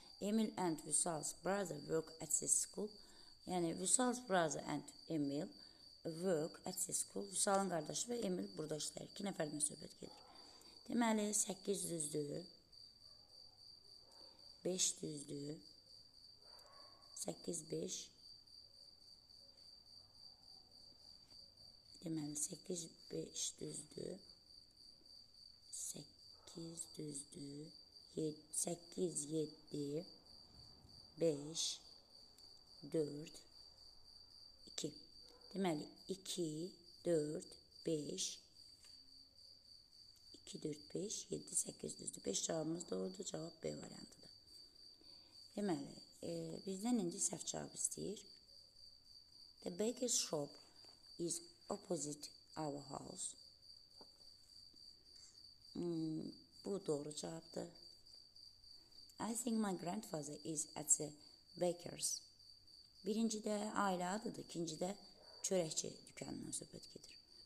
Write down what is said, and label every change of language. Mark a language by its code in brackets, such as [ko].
[en] Emil and Vüsal's brother work at the school. Yani Vüsal's brother and Emil work at the school. [tr] Vüsal'ın kardeşi ve Emil burada işler. [az] İki nəfərdən söhbət gelir. Deməli, 8 düzdü. 5 düzdü. 8, 5. Deməli, 8, 5 düzdü. 8 düzdü. 8, 7. 5. 4. 2. Deməli, 2, 4, 5, 2, 4, 5, 7, 8 düzdür. 5 cevabımız doğrudur, cevap B variantıdır. Deməli, bizdən indi səhv cevab istəyir. [en] The baker's shop is opposite our house. [az] Bu doğru cevabdır. [en] I think my grandfather is at the baker's. [az] Birinci də ailə adıdır, ikinci də çörəkçi dükkanından söhbət gedir.